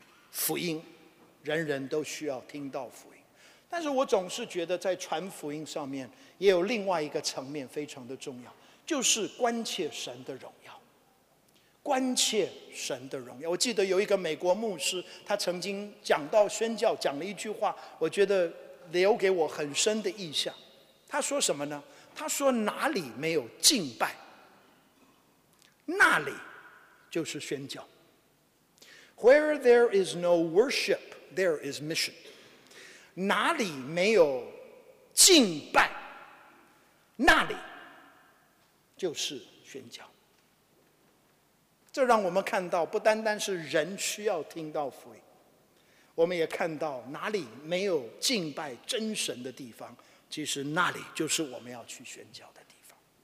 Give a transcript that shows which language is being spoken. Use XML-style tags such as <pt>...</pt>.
<zh>福音，人人都需要听到福音。但是我总是觉得在传福音上面也有另外一个层面非常的重要，就是关切神的荣耀，关切神的荣耀。我记得有一个美国牧师，他曾经讲到宣教，讲了一句话，我觉得留给我很深的印象。他说什么呢？他说，哪里没有敬拜，那里就是宣教。</zh> <en>Where there is no worship,There is mission.</en> <zh>哪里没有敬拜，那里就是宣教。这让我们看到，不单单是人需要听到福音，我们也看到哪里没有敬拜真神的地方，其实那里就是我们要去宣教的地方。</zh>